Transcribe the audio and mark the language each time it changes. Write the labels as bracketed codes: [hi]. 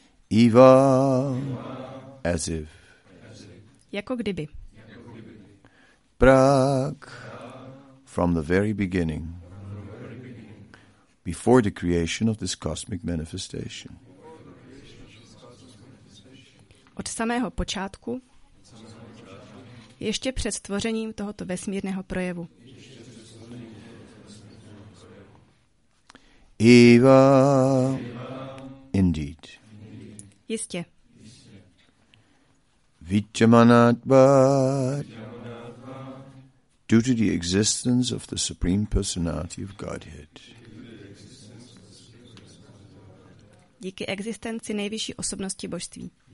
[en] Eva, as if. [cs] Jako kdyby. [en] Prak, from the very beginning. Before the creation of this cosmic manifestation. [cs] Od samého počátku, ještě před stvořením tohoto vesmírného projevu. [en] Eva, indeed. [cs] Jistě. [en] Vichamanatva, due to the existence of the Supreme Personality of Godhead. [cs] Díky existenci nejvyšší osobnosti božství.